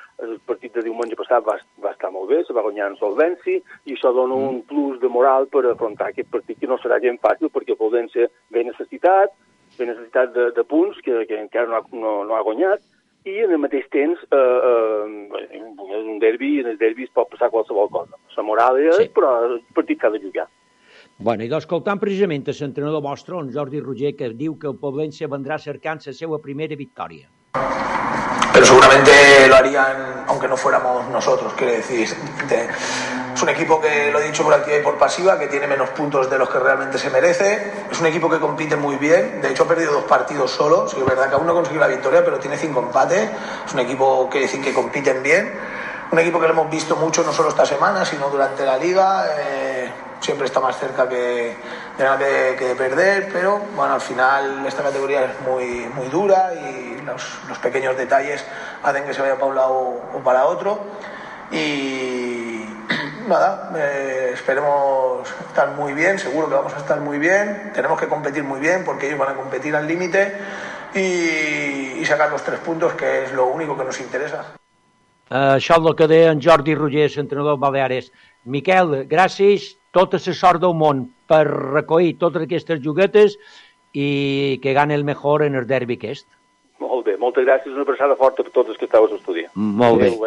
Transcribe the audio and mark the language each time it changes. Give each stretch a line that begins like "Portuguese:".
Catalan: El partit de diumenge passat va estar molt bé, se va guanyar en solvenci, i això dona un plus de moral per afrontar aquest partit, que no serà gens fàcil, perquè poden ser ben necessitat de punts, que encara no ha guanyat, i en el mateix temps, és un derbi, i en el derbi es pot passar qualsevol cosa. La moral és, sí. Però el partit s'ha de jugar. Bueno, i d'escoltant precisament l'entrenador vostre, en Jordi Roger, que diu que el Poblense vendrà cercant la seva primera victòria.
Spanish: Pero seguramente lo harían aunque no fuéramos nosotros, quiere decir. Es un equipo que, lo he dicho por activa y por pasiva, que tiene menos puntos de los que realmente se merece. Es un equipo que compite muy bien. De hecho, ha perdido dos partidos solo. Sí, es verdad que aún no consiguió la victoria, pero tiene 5 empates. Es un equipo, quiere decir, que compiten bien. Un equipo que lo hemos visto mucho, no solo esta semana, sino durante la liga. Siempre está más cerca que de nada que perder, pero bueno, al final esta categoría es muy, muy dura y los pequeños detalles hacen que se vaya para un lado o para otro. Y nada, esperemos estar muy bien, seguro que vamos a estar muy bien. Tenemos que competir muy bien porque ellos van a competir al límite y sacar los 3 puntos, que es lo único que nos interesa.
Catalan: Això és el que deia en Jordi Rogés, entrenador Baleares. Miquel, gràcies, tota la sort del món per recollir totes aquestes juguetes i que gane el millor en el derbi aquest. Molt bé, moltes gràcies, una abraçada forta per totes que estaves a estudiar. Molt bé.